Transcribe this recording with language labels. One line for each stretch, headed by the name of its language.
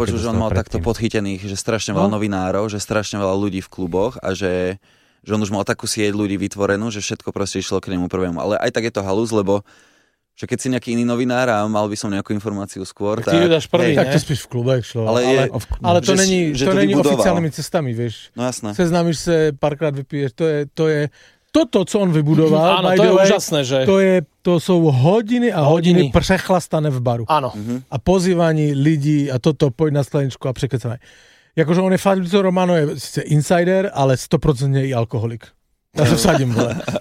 Slovak: Ja som počul, že on mal takto podchytených, že strašne veľa novinárov, že strašne veľa ľudí v kluboch a že on už mal takú sieť ľudí vytvorenú, že všetko proste išlo k nemu prvému. Ale aj tak je to halus, lebo že keď si nejaký iný novinár a mal by som nejakú informáciu skôr, tak... Ty ju dáš prvý, ne? Tak to spíš v klube, človek. Ale to není, oficiálnymi cestami, vieš. No jasné. Seznámiš sa, párkrát vypiješ, to je... Toto, co on vybudoval... Áno, to je úžasné, že... To sú hodiny a hodiny prechlastané v baru. Áno. A pozývaní lidí a toto,
Czech: pojď na skleničku
Slovak: a prekecaj.
Czech: Jakože on je Fabrizio Romano, je sice insider, ale 100% je i alkoholik.
Slovak: Ja sa vsadím, bole.